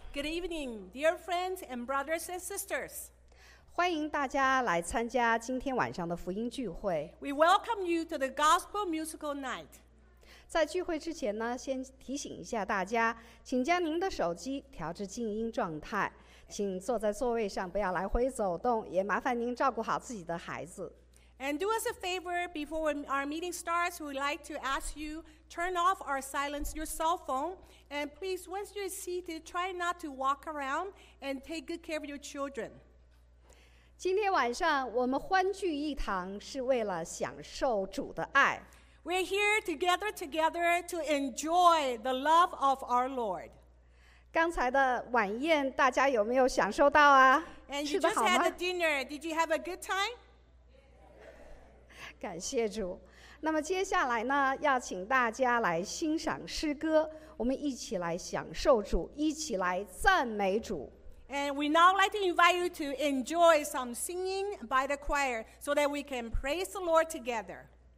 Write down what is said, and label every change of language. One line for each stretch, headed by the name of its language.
English: Good evening, dear friends and brothers and sisters.
Chinese: 欢迎大家来参加今天晚上的福音聚会。
English: We welcome you to the Gospel Musical Night.
Chinese: 在聚会之前呢，先提醒一下大家，请将您的手机调至静音状态，请坐在座位上，不要来回走动，也麻烦您照顾好自己的孩子。
English: And do us a favor, before our meeting starts, we'd like to ask you, turn off or silence your cell phone. And please, once you're seated, try not to walk around and take good care of your children.
Chinese: 今天晚上我们欢聚一堂是为了享受主的爱。
English: We're here together, together to enjoy the love of our Lord.
Chinese: 刚才的晚宴大家有没有享受到啊？
English: And you just had a dinner. Did you have a good time?
Chinese: 感谢主。那么接下来呢，要请大家来欣赏诗歌，我们一起来享受主，一起来赞美主。
English: And we now like to invite you to enjoy some singing by the choir so that we can praise the Lord together.